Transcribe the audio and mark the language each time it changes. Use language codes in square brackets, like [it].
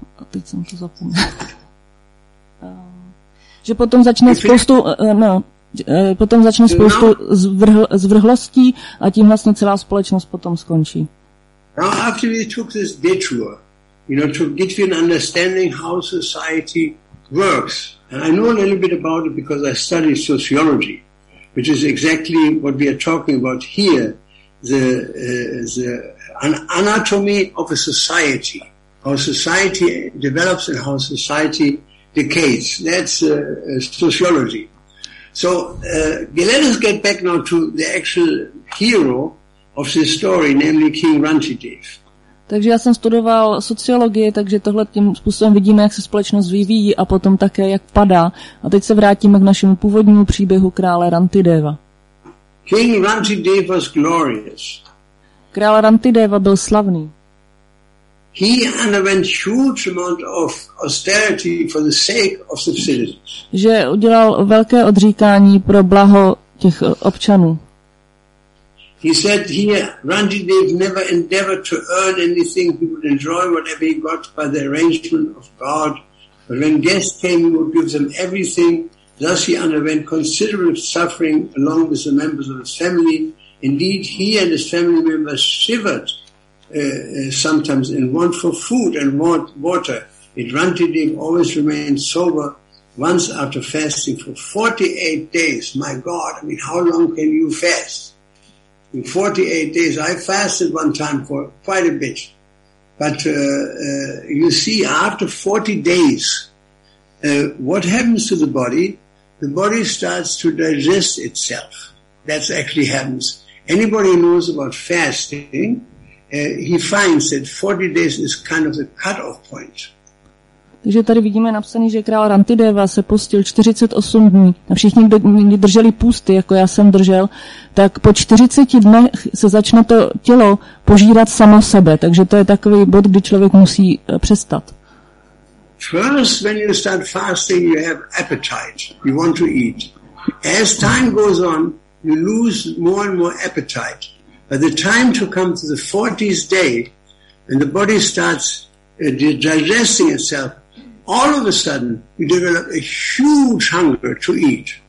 [cs] Teď jsem to zapomněl. Že potom začne spoustu zvrhlostí a tím vlastně celá společnost potom skončí. [en] Now after we took this detour, you know, to get you an understanding how society works. And I know a little bit about it because I studied sociology, which is exactly what we are talking about here, the anatomy of a society, how society develops and how society decays. That's sociology. So let us get back now to the actual hero of this story, namely King Rantidev. [cs] Takže já jsem studoval sociologii, takže tohle tím způsobem vidíme, jak se společnost vyvíjí a potom také, jak padá. A teď se vrátíme k našemu původnímu příběhu krále Rantideva. [en] King Rantideva was glorious. [cs] Král Rantideva byl slavný. [en] He underwent huge amount of austerity for the sake of the citizens. [cs] Že udělal velké odříkání pro blaho těch občanů. [en] He said here, Rantidev never endeavored to earn anything. He would enjoy whatever he got by the arrangement of God. But when guests came, he would give them everything. Thus he underwent considerable suffering along with the members of his family. Indeed, he and his family members shivered sometimes and want for food and water. And Rantidev always remained sober once after fasting for 48 days. My God, I mean, how long can you fast? In 48 days, I fasted one time for quite a bit. But you see, after 40 days, what happens to the body? The body starts to digest itself. That actually happens. Anybody who knows about fasting, he finds that 40 days is kind of the cut-off point. [cs] Takže tady vidíme napsaný, že král Rantideva se postil 48 dní a všichni, kdo drželi půsty, jako já jsem držel, tak po 40 dnech se začne to tělo požírat samo sebe. Takže to je takový bod, kdy člověk musí přestat. [en] First, when you start fasting, you have appetite. You want to eat. As time goes on, you lose more and more appetite. By the time to come to the 40th day, and the body starts digesting itself, all of a sudden you develop a huge hunger to eat.